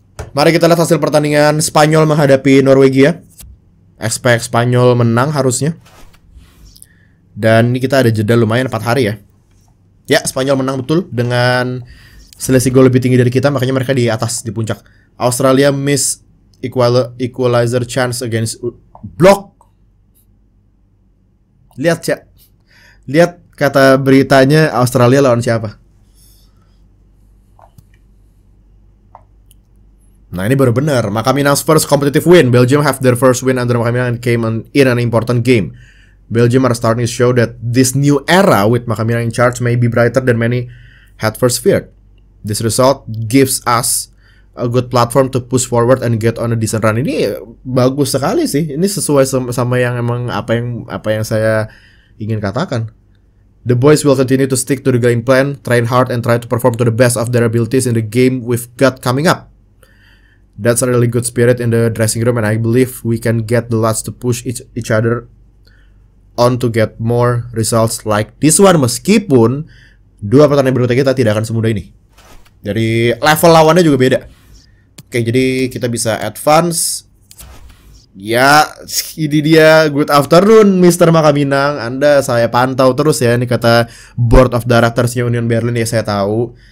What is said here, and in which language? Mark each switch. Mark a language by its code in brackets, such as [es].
[id] Mari kita lihat hasil pertandingan Spanyol menghadapi Norwegia. Expect Spanyol menang harusnya. Dan ini kita ada jeda lumayan, 4 hari ya. Ya, Spanyol menang betul dengan selisih gol lebih tinggi dari kita, makanya mereka di atas, di puncak. [en] Australia miss equalizer chance against block. [id] Lihat, Cak. Lihat kata beritanya, Australia lawan siapa. Nah, ini baru benar. [en] Macaminas first competitive win. Belgium have their first win under Macaminas and came in an important game. Belgium are starting to show that this new era with Macaminas in charge may be brighter than many had first feared. This result gives us a good platform to push forward and get on a decent run. [id] Ini bagus sekali sih. Ini sesuai sama yang emang apa yang saya ingin katakan. [en] The boys will continue to stick to the game plan, train hard, and try to perform to the best of their abilities in the game we've got coming up. That's a really good spirit in the dressing room, and I believe we can get the lads to push each other on to get more results like this one. [id] Meskipun dua pertandingan berikutnya kita tidak akan semudah ini. Dari level lawannya juga beda. Oke, jadi kita bisa advance. Ya, ini dia. [en] Good afternoon, [id] Mr. Makaminang. Anda saya pantau terus ya. Ini kata board of directorsnya Union Berlin ya, saya tahu.